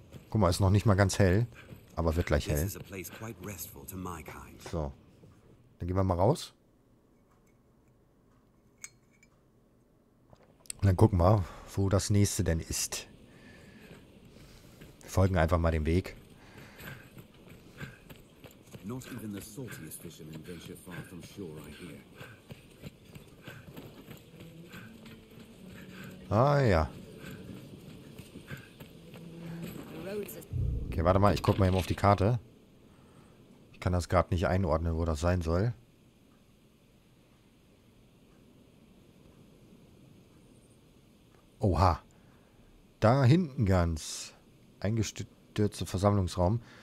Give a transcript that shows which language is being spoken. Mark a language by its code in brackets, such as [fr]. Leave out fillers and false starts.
[de] Guck mal, ist noch nicht mal ganz hell. Aber wird gleich hell. So. Dann gehen wir mal raus. Und dann gucken wir, wo das nächste denn ist. Wir folgen einfach mal dem Weg. [en] Not even the saltiest fishermen venture far from shore, I hear. [de] Ah ja. Okay, warte mal, ich guck mal eben auf die Karte. Ich kann das gerade nicht einordnen, wo das sein soll. Oha. Da hinten ganz. Eingestürzte Versammlungsraum.